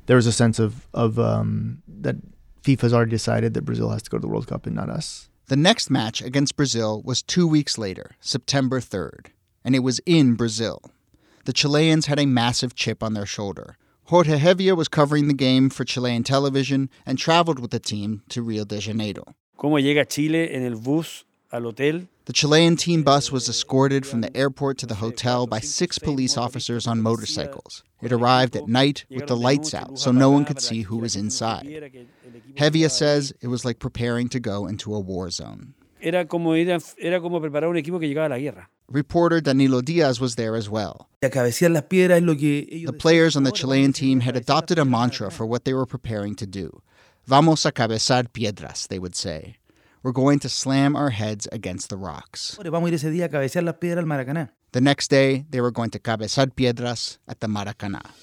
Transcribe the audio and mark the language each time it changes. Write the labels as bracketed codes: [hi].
[en] There was a sense of that FIFA's already decided that Brazil has to go to the World Cup and not us. The next match against Brazil was 2 weeks later, September 3rd, and it was in Brazil. The Chileans had a massive chip on their shoulder. Jorge Hevia was covering the game for Chilean television and traveled with the team to Rio de Janeiro. [es] ¿Cómo llega Chile en el bus al hotel? [en] The Chilean team bus was escorted from the airport to the hotel by six police officers on motorcycles. It arrived at night with the lights out, so no one could see who was inside. Hevia says it was like preparing to go into a war zone. [es] Era como preparar un equipo que llegaba a la guerra. [en] Reporter Danilo Diaz was there as well. The players on the Chilean team had adopted a mantra for what they were preparing to do. [es] Vamos a cabezar piedras, [en] they would say. We're going to slam our heads against the rocks. The next day, they were going to cabezar piedras at the Maracaná.